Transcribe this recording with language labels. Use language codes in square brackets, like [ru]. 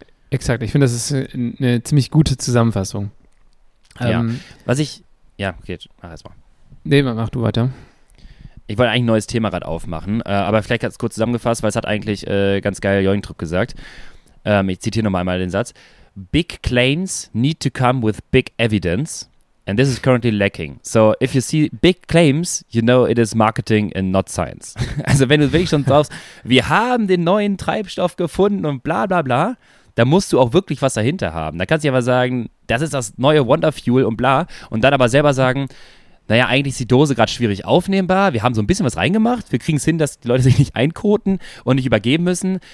[de] Exakt, ich finde, das ist eine ziemlich gute Zusammenfassung. Mach erstmal. Nee, mach du weiter. Ich wollte eigentlich ein neues Thema gerade aufmachen, aber vielleicht ganz kurz zusammengefasst, weil es hat eigentlich ganz geil Jolkendrup gesagt. Ich zitiere nochmal einmal den Satz. [en] Big claims need to come with big evidence and this is currently lacking. So if you see big claims, you know it is marketing and not science. [de] Also wenn du wirklich schon sagst, wir haben den neuen Treibstoff gefunden und bla bla bla, da musst du auch wirklich was dahinter haben. Da kannst du aber sagen, das ist das neue Wonderfuel und bla und dann aber selber sagen, naja, eigentlich ist die Dose gerade schwierig aufnehmbar. Wir haben so ein bisschen was reingemacht. Wir kriegen es hin, dass die Leute sich nicht einkoten und nicht übergeben müssen.